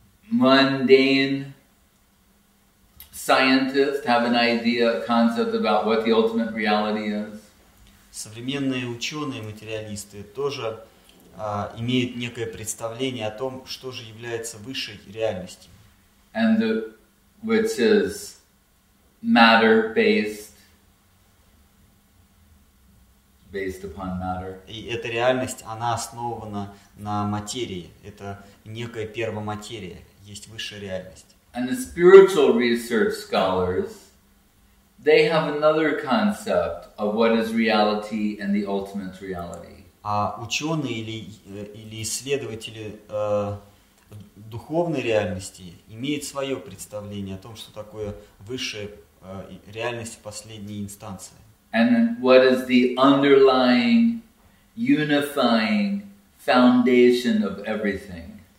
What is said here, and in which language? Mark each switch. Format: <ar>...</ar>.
<en>Mundane scientists have an idea, a concept about what the ultimate reality is.</en> <ru>Современные ученые, материалисты тоже имеют некое представление о том, что же является высшей реальностью.</ru> <en>And which is matter-based, based upon matter.</en> <ru>И эта реальность, она основана на материи. Это некая первоматерия, есть высшая реальность.</ru> <en>And the spiritual research scholars, they have another concept of what is reality and the ultimate reality.</en> <ru>А ученые или исследователи духовной реальности имеют свое представление о том, что такое высшая реальность последней инстанции.</ru> <en>And what is the underlying, unifying foundation of everything?</en>